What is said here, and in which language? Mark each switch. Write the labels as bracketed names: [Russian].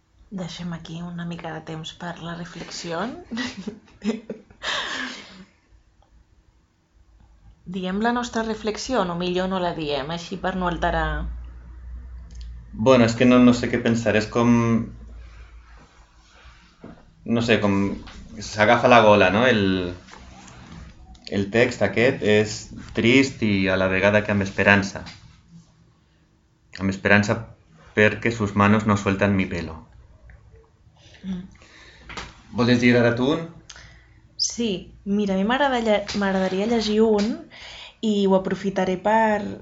[Catalan] Deixem aquí una mica de temps per la reflexió. Diem la nostra reflexió, o no, millor no la diem, així per no alterar. [Spanish] Bueno, es que no sé qué pensar, es como, no sé, como [Catalan] se agafa la gola, [Spanish] ¿no? [Catalan] El text aquest és trist i a la vegada que amb esperança. Amb esperança perquè [Spanish] sus manos no suelten mi pelo. [Catalan] Voles dir ara tu un? Sí, mira, a mi m'agradaria llegir un i ho aprofitaré per...